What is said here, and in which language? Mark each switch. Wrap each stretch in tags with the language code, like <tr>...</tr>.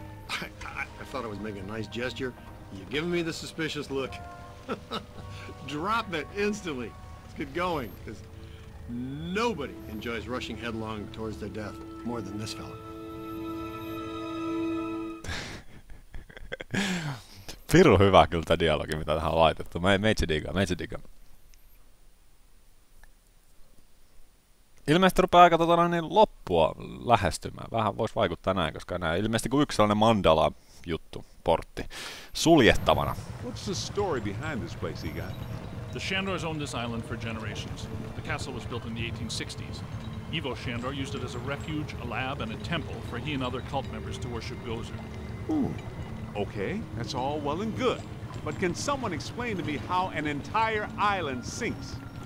<en>I thought I was making a nice gesture. You're giving me the suspicious look. Drop it instantly. Let's get going, because nobody enjoys rushing headlong towards their death more than this fella.</en> <fi>Pirun hyvä kyllä tämä dialogi, mitä tähän on laitettu. Meitsi digga. Ilmeisesti rupeaa aika loppua lähestymään. Vähän voisi vaikuttaa näin, koska näin. Ilmeisesti kuin yksi sellainen mandala juttu, portti, suljettavana.</fi> <en>What's the story behind this place, Egon? The Shandors owned this island for generations. The castle was built in the 1860s. Ivo Shandor used it as a refuge, a lab, and a temple for he and other cult members to worship Gozer. Okay, that's all well and good. But can someone explain to me how an entire island sinks?</en>